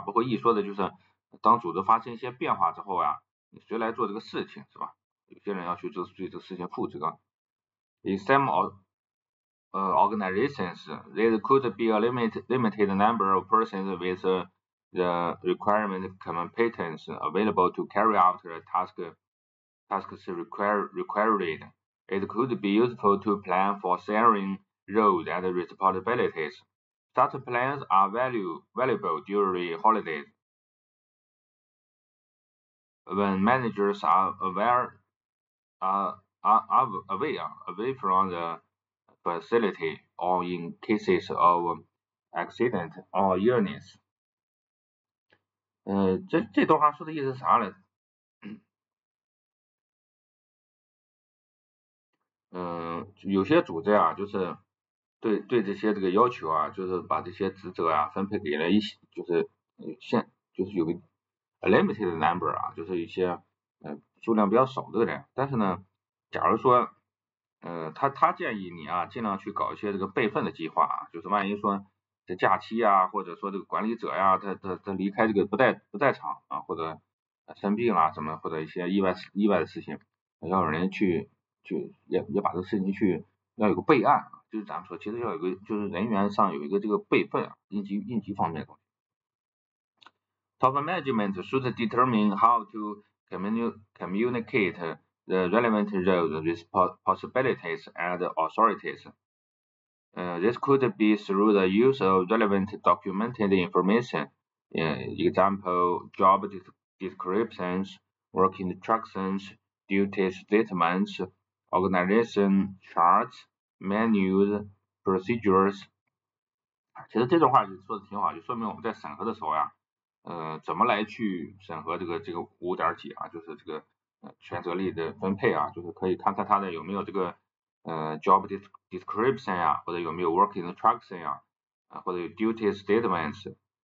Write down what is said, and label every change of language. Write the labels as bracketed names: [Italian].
[Chinese] 包括 E 说的就是当组织发生一些变化之后啊，谁来做这个事情是吧？有些人要去对这个事情负责。 [English] In some organizations, there could be a limited number of persons with the requirement competence available to carry out the tasks required. It could be useful to plan for sharing roles and responsibilities. Such plans are valuable during holidays when managers are away from the facility or in cases of accident or illness. [Chinese] 这段话说的意思是啥嘞？有些组织啊，就是对这些这个要求啊，就是把这些职责啊分配给了一些，就是有个 limited number 啊，就是一些数量比较少的人。但是呢，假如说他建议你啊，尽量去搞一些这个备份的计划啊，就是万一说。这假期呀，或者说这个管理者呀，他离开这个不在场啊，或者生病啦什么，或者一些意外的事情，要有人去也把这个事情去要有个备案，就是咱们说其实要有个就是人员上有一个这个备份啊，应急方面的东西。 [English] Top management should determine how to communicate the relevant roles, responsibilities, and authorities. This could be through the use of relevant documented information, example, job descriptions, work instructions, duties statements, organization charts, menus, procedures. [Chinese] 其实这段话就说的挺好，就说明我们在审核的时候呀，怎么来去审核这个五点几啊，就是这个权责力的分配啊，就是可以看看他的有没有这个。 job description 呀，或者有没有 work instruction 呀，或者有 duty statements，